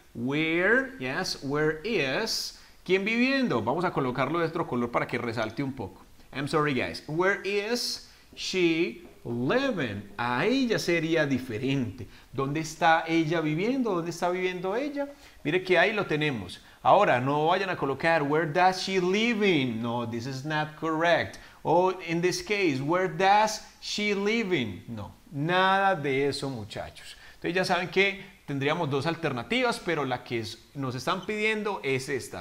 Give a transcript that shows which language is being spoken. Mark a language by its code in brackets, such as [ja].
[en] Where, yes, where is. [es] ¿Quién viviendo? Vamos a colocarlo de otro color para que resalte un poco. [en] I'm sorry, guys. Where is she living? [es] Ahí ya sería diferente. ¿Dónde está ella viviendo? ¿Dónde está viviendo ella? Mire que ahí lo tenemos. Ahora, no vayan a colocar [en] where does she live in. No, this is not correct. In this case, where does she live in. [es] No. Nada de eso, muchachos. Entonces ya saben que tendríamos dos alternativas, pero la que nos están pidiendo es esta.